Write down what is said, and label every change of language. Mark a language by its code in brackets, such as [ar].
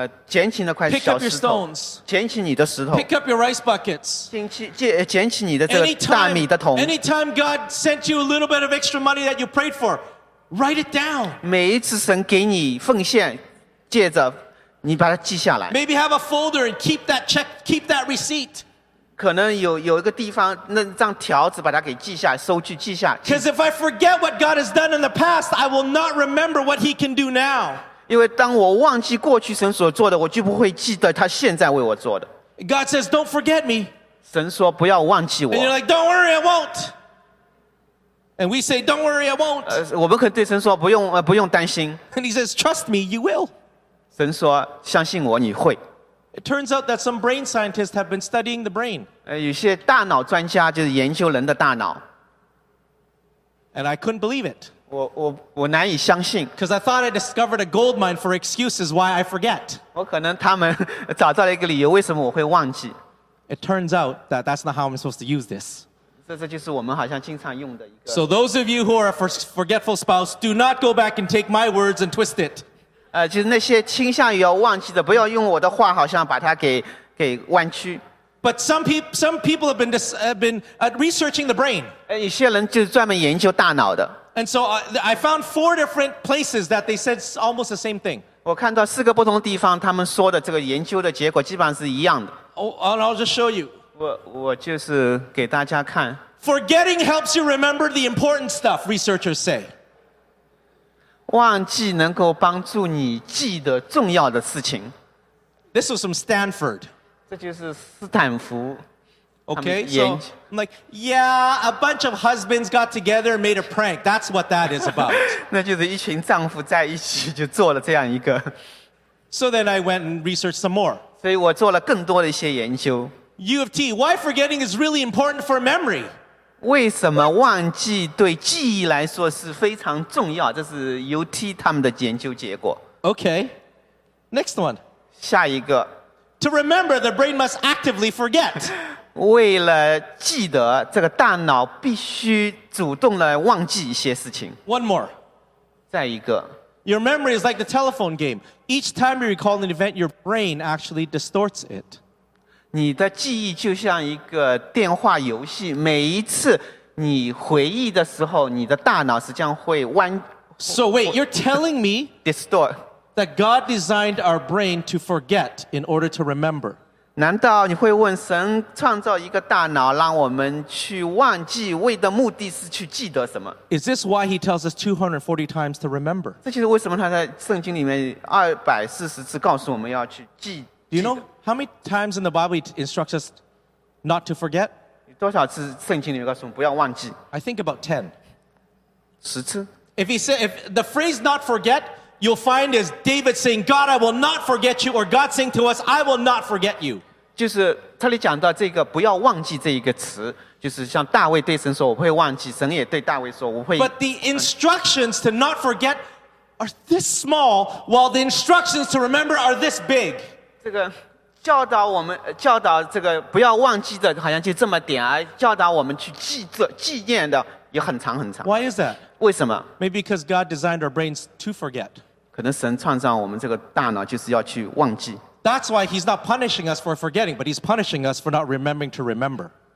[zh] 捡起那块小石头。 [en] Pick up your stones. [zh] 捡起你的石头。 [en] Pick up your rice buckets. [zh] 捡起你的这个大米的桶。 [en] Anytime God sent you a little bit of extra money that you prayed for, write it down. [zh] 每一次神给你奉献，借着你把它记下来。 [en] Maybe have a folder and keep that check, keep that receipt. [zh] 可能有一个地方弄张条子把它给记下来，收据记下来。 [en] Because if I forget what God has done in the past, I will not remember what He can do now. [zh] 因为当我忘记过去神所做的，我就不会记得他现在为我做的。 [en] God says, "Don't forget me." [zh] 神说不要忘记我。 [en] And you're like, "Don't worry, I won't." And we say, "Don't worry, I won't." [zh] 我们可能对神说不用担心。 [en] And He says, "Trust me, you will." [zh] 神说相信我，你会。 [en] It turns out that some brain scientists have been studying the brain. [zh] 有些大脑专家就是研究人的大脑。 [en] And I couldn't believe it. [zh] 我难以相信。 [en] Because I thought I discovered a gold mine for excuses why I forget. [zh] 我可能他们找到了一个理由为什么我会忘记。 [en] It turns out that that's not how I'm supposed to use this. [zh] 这就是我们好像经常用的一个。 [en] So those of you who are a forgetful spouse, do not go back and take my words and twist it. [zh] 就是那些倾向于要忘记的，不要用我的话好像把它给弯曲。 [en] But some people have been researching the brain. [zh] 有些人就是专门研究大脑的。 [en] And so I found four different places that they said almost the same thing. [zh] 我看到四个不同地方，他们说的这个研究的结果基本上是一样的。 [en] Oh, and I'll just show you. [zh] 我就是给大家看。 [en] Forgetting helps you remember the important stuff, researchers say. [zh] 忘记能够帮助你记得重要的事情。 [en] This was from Stanford. [zh] 这就是斯坦福。 [en] Okay, so I'm like, yeah, a bunch of husbands got together and made a prank. That's what that is about. [zh] 那就是一群丈夫在一起就做了这样一个。 [en] So then I went and researched some more. [zh] 所以我做了更多的一些研究。 [en] U of T, why forgetting is really important for memory? [zh] 为什么忘记对记忆来说是非常重要？这是 UT 他们的研究结果。 [en] Okay, next one. [zh] 下一个。 [en] To remember, the brain must actively forget. [zh] 为了记得，这个大脑必须主动地忘记一些事情。 [en] One more. [zh] 再一个。 [en] Your memory is like the telephone game. Each time you recall an event, your brain actually distorts it. [zh] 你的记忆就像一个电话游戏，每一次你回忆的时候，你的大脑实际上会弯。 [en] So wait, you're telling me distort that God designed our brain to forget in order to remember. [zh] 难道你会问神创造一个大脑让我们去忘记为的目的是去记得什么 [en] Is this why he tells us 240 times to remember? [zh] 这就是为什么他在圣经里面240次告诉我们要去记 [en] Do you know how many times in the Bible he instructs us not to forget? [zh] 你多少次圣经里面告诉我们不要忘记? [en] I think about 10. [zh] 10次? [en] If he said, if the phrase not forget, you'll find is David saying, God, I will not forget you, or God saying to us, I will not forget you. [zh] 就是他里讲到这个不要忘记这一个词, 就是像大卫对神说我会忘记,神也对大卫说, 我会... [en] But the instructions to not forget are this small, while the instructions to remember are this big. [zh] 教导我们去记念的也很长很长。 [en] Why is that? [zh] 为什么? [en] Maybe because God designed our brains to forget. [zh] 可能神创造我们这个大脑就是要去忘记。 [en] That's why he's not punishing us for forgetting, but he's punishing us for not remembering to remember.